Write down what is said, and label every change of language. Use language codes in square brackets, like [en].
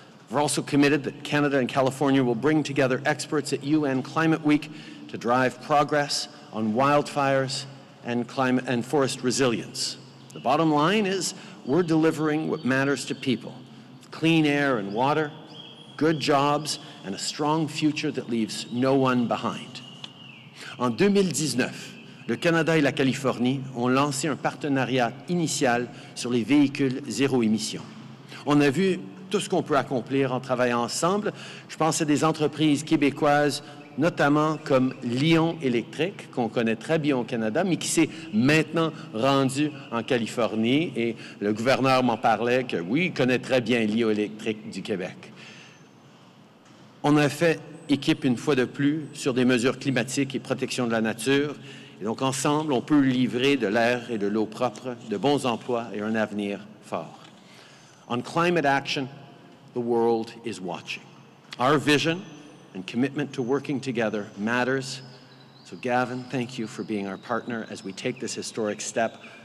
[en] We're also committed that Canada and California will bring together experts at UN Climate Week to drive progress on wildfires and climate and forest resilience. The bottom line is we're delivering what matters to people: clean air and water, good jobs, and a strong future that leaves no one behind. [fr] En 2019, le Canada et la Californie ont lancé un partenariat initial sur les véhicules zéro émission. On a vu tout ce qu'on peut accomplir en travaillant ensemble. Je pense à des entreprises québécoises, notamment comme Lion Électrique, qu'on connaît très bien au Canada, mais qui s'est maintenant rendu en Californie. Et le gouverneur m'en parlait que, oui, il connaît très bien Lion Électrique du Québec. On a fait équipe une fois de plus sur des mesures climatiques et protection de la nature. Et donc, ensemble, on peut livrer de l'air et de l'eau propre, de bons emplois et un avenir fort. [en] On climate action, the world is watching. Our vision and commitment to working together matters. So Gavin, thank you for being our partner as we take this historic step.